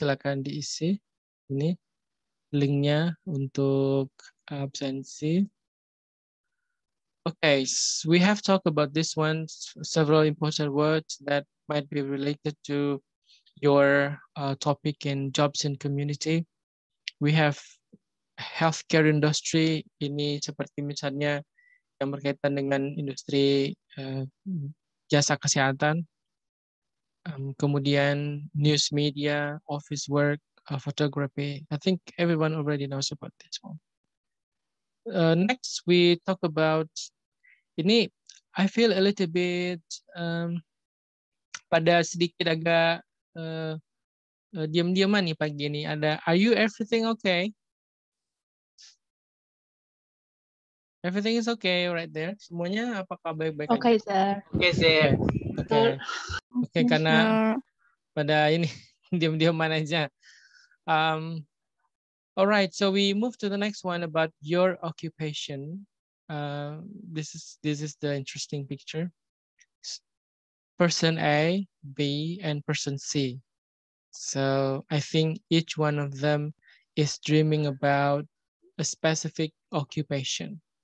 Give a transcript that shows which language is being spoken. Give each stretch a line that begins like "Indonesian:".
Indonesian: Silakan diisi ini linknya untuk absensi.
English: Okay, so we have talked about this one, several important words that might be related to your topic in jobs and community. We have healthcare industry,
Indonesian: ini seperti misalnya yang berkaitan dengan industri jasa kesehatan. Kemudian news media, office work, photography.
English: I think everyone already knows about this one. Next, we talk about, ini I feel a little bit,
Indonesian: pada sedikit agak, diam-diaman nih pagi ini.
English: Ada, are you everything okay? Everything is okay right there.
Indonesian: Semuanya apakah baik-baik?
English: Okay, aja? Sir. Okay, sir.
Indonesian: Okay, karena pada ini diam-diaman aja.
English: All right. So we move to the next one about your occupation. This is the interesting picture. Person A, B, and person C. So I think each one of them is dreaming about a specific occupation.